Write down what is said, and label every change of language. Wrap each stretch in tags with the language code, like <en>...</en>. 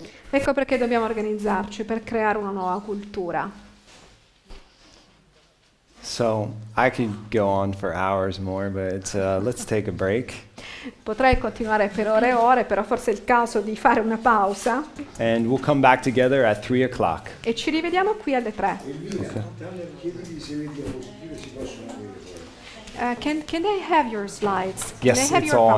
<it>Ecco perché dobbiamo organizzarci per creare una nuova cultura.</it> <en>So, I could go on for hours more, but let's take a break.</en> <it>Potrei continuare per ore e ore, però forse è il caso di fare una pausa.</it> <en>And we'll come back together at 3 o'clock.</en> <it>E ci rivediamo qui alle 3.</it> <en>Okay. Can they have your slides? Yes, can they have it's your all</en>